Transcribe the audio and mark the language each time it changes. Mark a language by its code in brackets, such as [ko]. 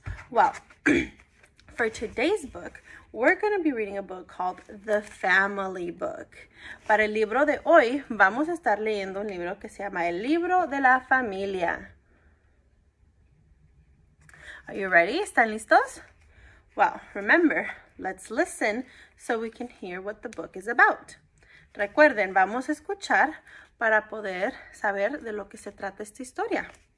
[en] Well, for today's book, we're going to be reading a book called The Family Book. [es] Para el libro de hoy, vamos a estar leyendo un libro que se llama El Libro de la Familia. [en] Are you ready? [es] ¿Están listos? [en] Well, remember, let's listen so we can hear what the book is about. [es] Recuerden, vamos a escuchar para poder saber de lo que se trata esta historia.